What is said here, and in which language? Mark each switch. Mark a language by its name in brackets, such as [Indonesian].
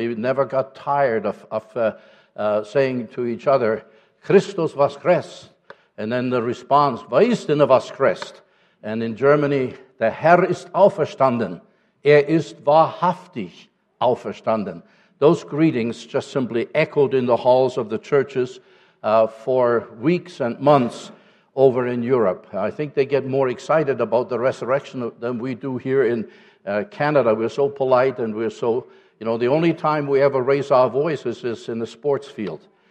[English] They never got tired of saying to each other, [Russian] Christus Voskres. [English] And then the response, [Russian] Voistine Voskres. [English] And in Germany, [German] der Herr ist auferstanden. Er ist wahrhaftig auferstanden. [English] Those greetings just simply echoed in the halls of the churches for weeks and months over in Europe. I think they get more excited about the resurrection than we do here in Canada. We're so polite and we're so, you know, the only time we ever raise our voices is in the sports field.